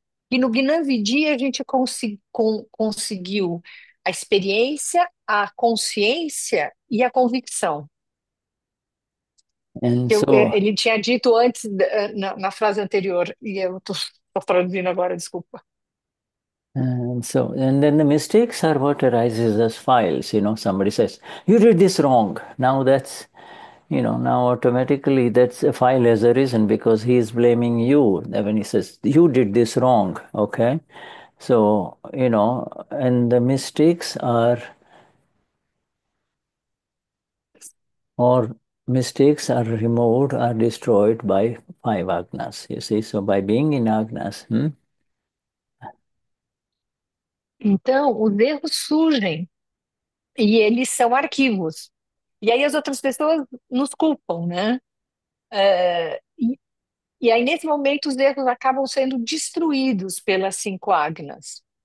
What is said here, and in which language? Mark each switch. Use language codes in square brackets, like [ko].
[pt] E no Gnanvidhi a gente conseguiu a experiência, a consciência e a convicção. [en] And [pt] Eu, [en] so, [pt] ele tinha dito antes, na frase anterior, e eu estou traduzindo agora, desculpa. [en] and then the mistakes are what arises as files. Somebody says, you did this wrong. Now that's, now automatically that's a file has arisen because he is blaming you. When he says, you did this wrong, okay? So, and the mistakes are, or mistakes are removed, are destroyed by five agnas. You see, so by being in agnas, [pt] Então, os erros surgem e eles são arquivos. E aí as outras pessoas nos culpam, né? E aí, nesse momento, os erros acabam sendo destruídos pelas cinco agnas.